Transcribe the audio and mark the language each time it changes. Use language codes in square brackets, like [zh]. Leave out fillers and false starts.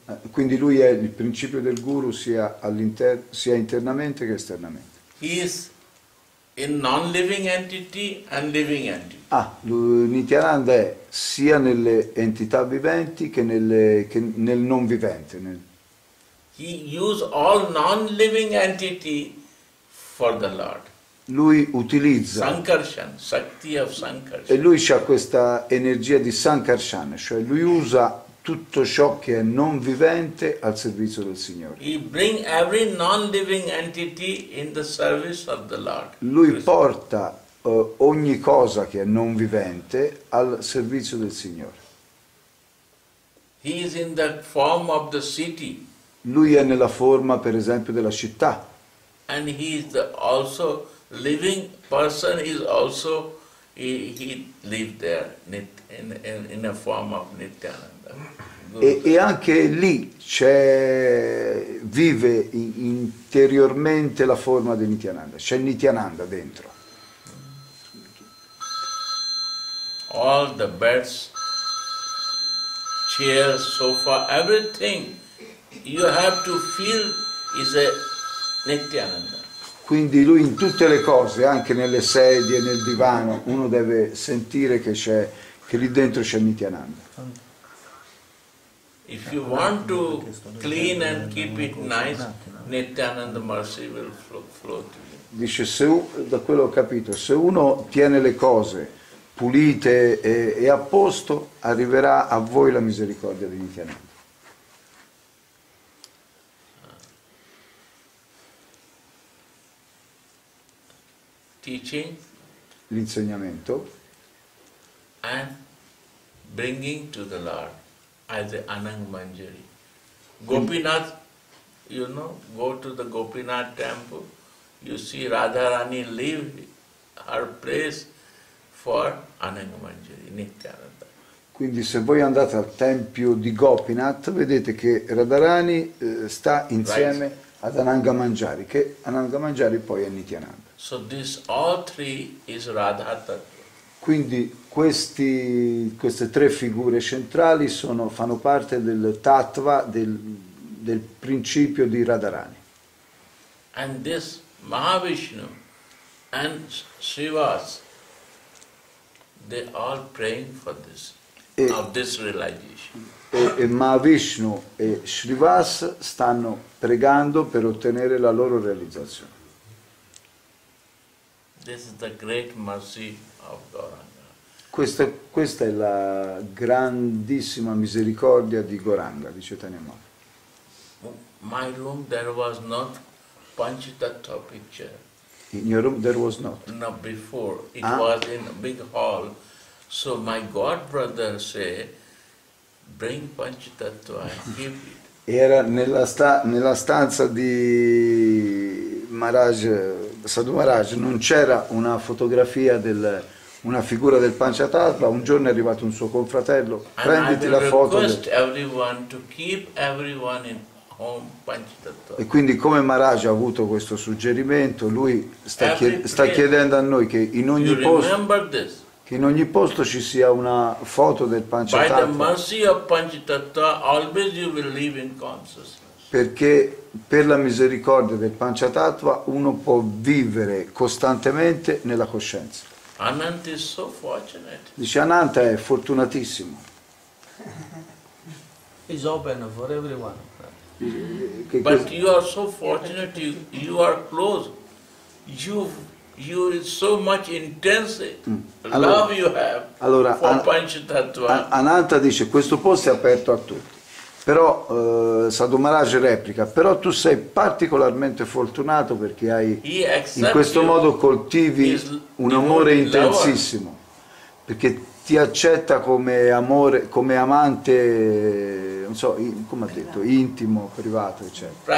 [it] Quindi lui è il principio del Guru sia sia internamente che esternamente. [en] He is in non-living entity and living entity. [it] Ah, Nityananda è sia nelle entità viventi che nel non vivente. [en] He uses all non-living entity for the Lord. [it] Lui utilizza [en] Sankarshan, Shakti of Sankarshan. [it] E lui c'ha questa energia di Sankarshan, cioè lui usa tutto ciò che è non vivente al servizio del Signore. [en] He bring every non-living entity in the service of the Lord. [it] Lui porta ogni cosa che è non vivente al servizio del Signore. [en] He is in the form of the city. [it] Lui è nella forma, per esempio, della città. [en] And he is the also living person is also he live there in a form of Nityananda. [it] E anche lì c'è vive interiormente la forma di Nityananda. C'è Nityananda dentro. [en] All the beds, chairs, sofa, everything you have to feel is a Nityananda. [it] Quindi lui in tutte le cose, anche nelle sedie, nel divano, uno deve sentire che c'è, che lì dentro c'è Nityananda. [en] If you want to clean and keep it nice, Nityananda mercy will flow to you. [it] Dice, se, da quello ho capito, se uno tiene le cose pulite e a posto, arriverà a voi la misericordia di Nityananda. [en] Teaching, [it] l'insegnamento, [en] and bringing to the Lord as the Anang Manjari. Gopinath, you know, go to the Gopinath temple, you see Radharani leave her place for Anang Manjari, Nityananda. [it] Quindi se voi andate al tempio di Gopinath, vedete che Radharani sta insieme ad Ananga Manjari, che Ananga Manjari poi è Nityananda. [en] So this all three is Radha Tattva. [it] Quindi queste tre figure centrali fanno parte del tattva, del principio di Radharani. [en] And this Mahavishnu and Shivas, they all praying for this, of this realization. [it] E Mahavishnu e Shrivas stanno pregando per ottenere la loro realizzazione. [en] This is the great mercy of Gauranga. [it] Questa è la grandissima misericordia di Gauranga, di Chaitanya Mahaprabhu. [en] My room there was not Panchatattva picture. In your room there was not. No, before it was in a big hall. So my god brother say, bring Panchatattva and give it. [it] Era nella stanza di Maharaj, Sadhu Maharaj, non c'era una fotografia una figura del Panchatattva. Un giorno è arrivato un suo confratello, prenditi la foto. [en] Everyone to keep everyone in home Panchatattva. [it] E quindi come Maharaj ha avuto questo suggerimento, lui sta chiedendo a noi che in ogni posto, che in ogni posto ci sia una foto del Panchatattva. [en] By the mercy of Panchatattva, always you will live in consciousness. [it] Perché per la misericordia del Panchatattva uno può vivere costantemente nella coscienza. [en] Anant is so fortunate. [it] Dice Ananta è fortunatissimo. [en] It's open for everyone. But you are so fortunate, you are close. You is so much intense love you have. [it] Allora, [en] for Panchatattva. [it] Ananta dice questo posto è aperto a tutti. Però Sadhu Maharaj replica, però tu sei particolarmente fortunato perché hai in questo modo coltivi un amore intensissimo, perché ti accetta come amore, come amante, non so, come ha detto, intimo, privato, eccetera.